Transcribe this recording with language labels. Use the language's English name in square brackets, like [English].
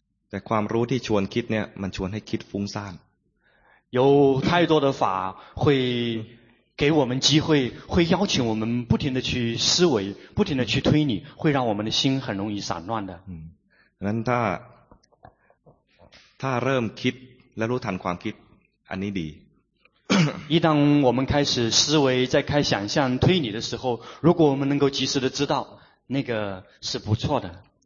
[Thai] แต่ความรู้ที่ชวนคิดเนี่ยมันชวนให้คิดฟุ้งซ่าน [Chinese] 有太多的法会给我们机会，会邀请我们不停的去思维，不停的去推理，会让我们的心很容易散乱的。嗯，那他 [Thai] เริ่มคิดและรู้ทันความคิดอันนี้ดี [Chinese] 一旦我们开始思维，在开想象推理的时候，如果我们能够及时的知道，那个是不错的。